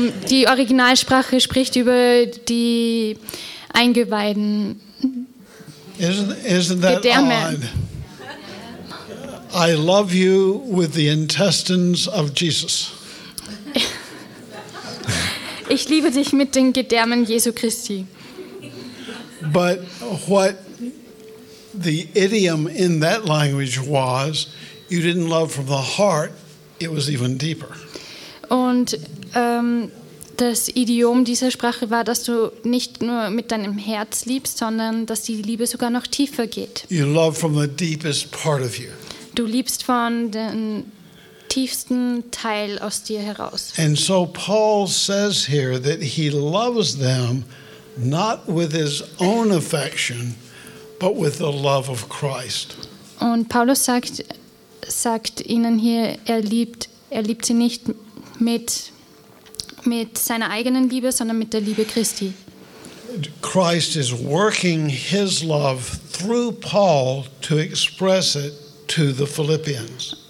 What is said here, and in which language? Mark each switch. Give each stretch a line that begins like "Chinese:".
German: Die Originalsprache spricht über die Eingeweiden.
English: Isn't that odd? I love you with the intestines of Jesus.
German: Ich liebe dich mit den Gedärmen Jesu Christi.
English: But what the idiom in that language was, you didn't love from the heart, it was even deeper.
German: Und das Idiom dieser Sprache war, dass du nicht nur mit deinem Herz liebst, sondern dass die Liebe sogar noch tiefer geht.
English: You love from the deepest part of you.
German: Du liebst von den tiefsten Teil aus dir heraus.
English: And so Paul says here that he loves them not with his own affection, but with the love of Christ.
German: Und Paulus sagt ihnen hier, er liebt sie nicht mit seiner eigenen Liebe, sondern mit der Liebe Christi.
English: Christ is working his love through Paul to express it to the Philippians.